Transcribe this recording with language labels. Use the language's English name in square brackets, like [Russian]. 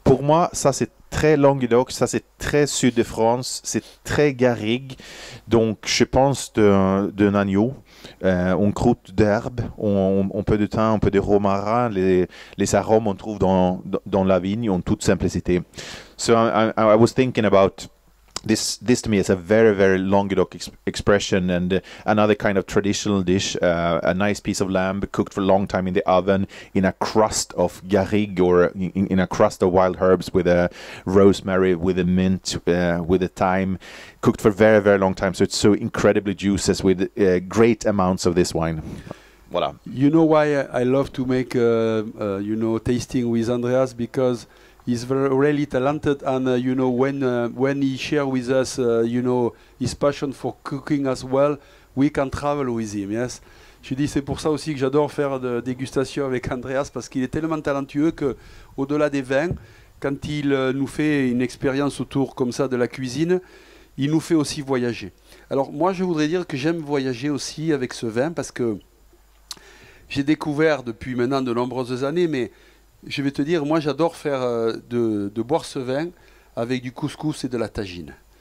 [French] Pour moi, ça c'est très Languedoc, ça c'est très sud de France, c'est très garrigue. Donc, je pense d'un agneau. On croûte d'herbe, on peut de thym, un peu de romarin, les arômes on trouve dans la vigne en toute simplicité. [English] So I was thinking about this to me is a very very Languedoc expression, and another kind of traditional dish, a nice piece of lamb cooked for a long time in the oven in a crust of garrigue or in a crust of wild herbs with a rosemary, with a mint, with a thyme, cooked for a very very long time, so it's so incredibly juicy with great amounts of this wine. [French] Voilà. [English] You know why I love to make you know, tasting with Andreas, because he's very really talented, and you know, when he share with us you know, his passion for cooking as well, we can travel with him. Yes. [French] Je dis, c'est pour ça aussi que j'adore faire de dégustation avec Andreas, parce qu'il est tellement talentueux que au-delà des vins, quand il nous fait une expérience autour comme ça de la cuisine, il nous fait aussi voyager. Alors moi, je voudrais dire que j'aime voyager aussi avec ce vin, parce que j'ai découvert depuis maintenant de nombreuses années, mais je vais te dire, moi j'adore faire de boire ce vin avec du couscous et de la tagine.